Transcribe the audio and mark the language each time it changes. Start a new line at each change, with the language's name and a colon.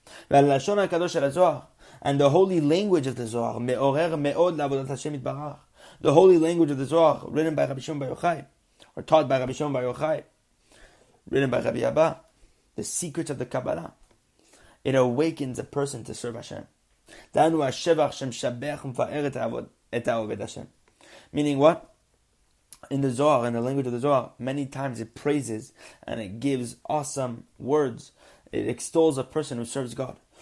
Hebrew: והלשון הקדוש של הזוהר,
English: and the holy language of the Zohar,
Hebrew: מעורר מאוד לעבודת השם יתברך.
English: The holy language of the Zohar, written by Rabbi Shimon Bar Yochai, or taught by Rabbi Shimon Bar Yochai, written by Rabbi Abba, the secrets of the Kabbalah, it awakens a person to serve Hashem.
Hebrew: דהיינו השבח שמשבח ומפאר את העובד השם.
English: Meaning what? In the Zohar, in the language of the Zohar, many times it praises and it gives awesome words. It extols a person who serves God.